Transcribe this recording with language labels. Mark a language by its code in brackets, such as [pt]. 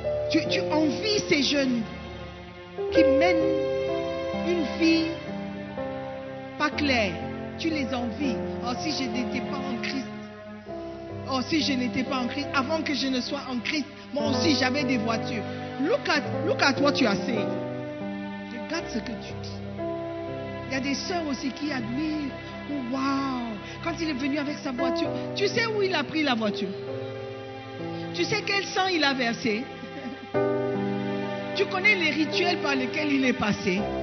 [fr] Tu envies ces jeunes qui mènent une vie pas claire. Tu les envies. Oh, si je n'étais pas en Christ. Oh, si je n'étais pas en Christ. Avant que je ne sois en Christ, moi aussi j'avais des voitures. [en] Look at what you are saying. [fr] Regarde ce que tu dis. Il y a des sœurs aussi qui admirent. Oh, wow. Quand il est venu avec sa voiture, tu sais où il a pris la voiture? Tu sais quel sang il a versé? Tu connais les rituels par lesquels il est passé?